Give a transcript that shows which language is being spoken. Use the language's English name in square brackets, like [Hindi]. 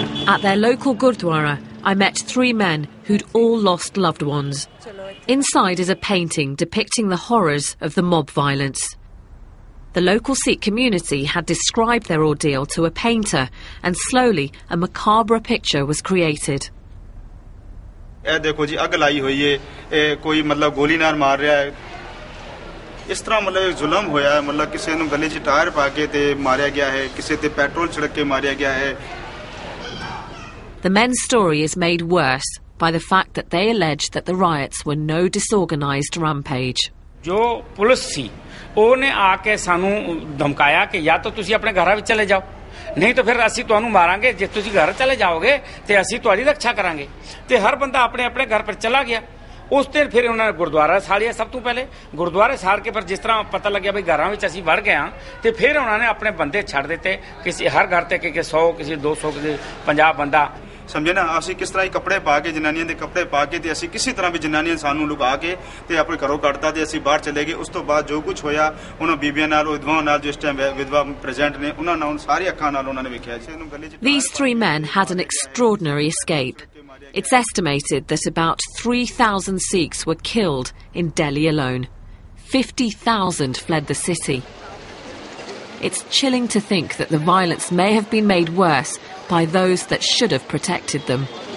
[English] At their local Gurdwara, I met three men who'd all lost loved ones. Inside is a painting depicting the horrors of the mob violence. The local Sikh community had described their ordeal to a painter and slowly a macabre picture was created. [Punjabi] ਇਹ ਦੇਖੋ ਜੀ ਅੱਗ ਲਾਈ ਹੋਈ ਹੈ ਇਹ ਕੋਈ ਮਤਲਬ ਗੋਲੀ ਨਾਲ ਮਾਰ ਰਿਹਾ ਹੈ ਇਸ ਤਰ੍ਹਾਂ ਮਤਲਬ ਜ਼ੁਲਮ ਹੋਇਆ ਮਤਲਬ ਕਿਸੇ ਨੂੰ ਗਲੇ 'ਚ ਟਾਇਰ ਪਾ ਕੇ ਤੇ ਮਾਰਿਆ ਗਿਆ ਹੈ ਕਿਸੇ ਤੇ ਪੈਟਰੋਲ ਛਿੜਕ ਕੇ ਮਾਰਿਆ ਗਿਆ ਹੈ [English] The men's story is made worse by the fact that they alleged that the riots were no disorganized rampage [Punjabi] ਜੋ ਪੁਲਿਸ ਸੀ ਉਹਨੇ ਆ ਕੇ ਸਾਨੂੰ ਧਮਕਾਇਆ ਕਿ ਜਾਂ ਤਾਂ ਤੁਸੀਂ ਆਪਣੇ ਘਰਾਂ ਵਿੱਚ ਚਲੇ ਜਾਓ ਨਹੀਂ ਤਾਂ ਫਿਰ ਅਸੀਂ ਤੁਹਾਨੂੰ ਮਾਰਾਂਗੇ ਜੇ ਤੁਸੀਂ ਘਰ ਚਲੇ ਜਾਓਗੇ ਤੇ ਅਸੀਂ ਤੁਹਾਡੀ ਰੱਖਿਆ ਕਰਾਂਗੇ ਤੇ ਹਰ ਬੰਦਾ ਆਪਣੇ ਆਪਣੇ ਘਰ ਪਰ ਚਲਾ ਗਿਆ ਉਸ ਦਿਨ ਫਿਰ ਉਹਨਾਂ ਨੇ ਗੁਰਦੁਆਰਾ ਸਾੜਿਆ ਸਭ ਤੋਂ ਪਹਿਲੇ ਗੁਰਦੁਆਰੇ ਸਾੜ ਕੇ ਪਰ ਜਿਸ ਤਰ੍ਹਾਂ ਪਤਾ ਲੱਗਿਆ ਵੀ ਘਰਾਂ ਵਿੱਚ ਅਸੀਂ ਵੜ ਗਏ ਹਾਂ ਤੇ ਫਿਰ ਉਹਨਾਂ ਨੇ ਆਪਣੇ ਬੰਦੇ ਛੱਡ ਦਿੱਤੇ ਕਿਸੇ ਹਰ ਘਰ ਤੇ ਕਿਸੇ 100 ਕਿਸੇ 200 ਕਿਸੇ 50 ਬੰਦਾ ਸਮਝੇ ਨਾ ਅਸੀਂ ਕਿਸ ਤਰ੍ਹਾਂ ਹੀ ਕੱਪੜੇ ਪਾ ਕੇ ਜਨਾਨੀਆਂ ਦੇ ਕੱਪੜੇ ਪਾ ਕੇ ਤੇ ਅਸੀਂ ਕਿਸੇ ਤਰ੍ਹਾਂ ਵੀ ਜਨਾਨੀਆਂ ਸਾਨੂੰ ਲੁਕਾ ਕੇ ਤੇ ਆਪਣੇ ਘਰੋਂ ਕੱਢਤਾ ਤੇ ਅਸੀਂ ਬਾਹਰ ਚਲੇ ਗਏ ਉਸ ਤੋਂ ਬਾਅਦ ਜੋ ਕੁਛ ਹੋਇਆ ਉਹਨਾਂ ਬੀਬੀਆਂ ਨਾਲ ਵਿਧਵਾਵਾਂ ਨਾਲ ਜਿਸ ਟਾਈਮ ਵਿਧਵਾ ਪ੍ਰੈਜ਼ੈਂਟ ਨੇ ਉਹਨਾਂ ਨਾਲ ਸਾਰੀ ਅੱਖਾਂ ਨਾਲ ਉਹਨਾਂ ਨੇ ਵੇਖਿਆ ਸੀ ਇਹਨੂੰ ਗੱਲੇ 'ਚ [English] These 3 men had an extraordinary escape it's estimated that about 3000 Sikhs were killed in Delhi alone 50,000 fled the city It's chilling to think that the violence may have been made worse by those that should have protected them.